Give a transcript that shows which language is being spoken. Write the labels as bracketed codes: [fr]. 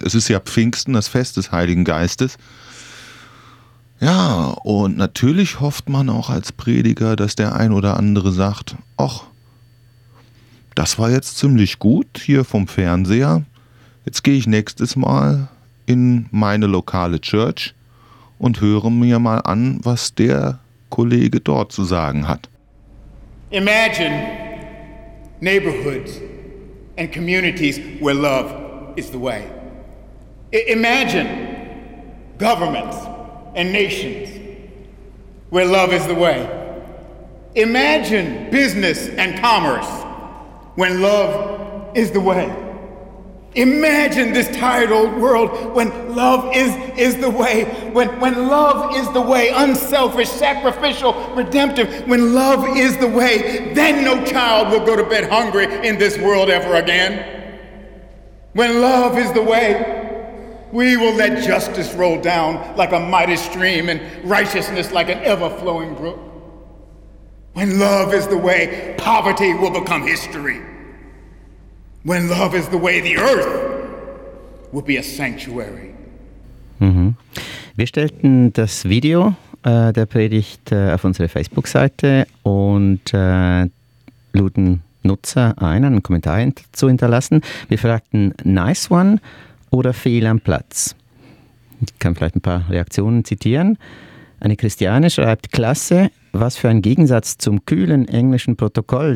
[de] Es ist ja Pfingsten, das Fest des Heiligen Geistes. Ja, und natürlich hofft man auch als Prediger, dass der ein oder andere sagt, ach, das war jetzt ziemlich gut hier vom Fernseher. Jetzt gehe ich nächstes Mal in meine lokale Church und höre mir mal an, was der Kollege dort zu sagen hat. [en] Imagine neighborhoods and communities where love is the way. Imagine governments and nations where love is the way. Imagine business and commerce when love is the way. Imagine this tired old world when love is the way. When love is the way, unselfish, sacrificial, redemptive, when love is the way, then no child will go to bed hungry in this world ever again. When love is the way, we will let justice roll down like a mighty stream and righteousness like an ever-flowing brook. When love is the way, poverty will become history. When love is the way, the earth will be a sanctuary. Mhm. [de] Wir stellten das Video der Predigt auf unsere Facebook-Seite und luden Nutzer ein, einen Kommentar zu hinterlassen. Wir fragten, [en] nice one [de] oder fehl am Platz? Ich kann vielleicht ein paar Reaktionen zitieren. Eine Christiane schreibt, klasse, was für ein Gegensatz zum kühlen englischen Protokoll.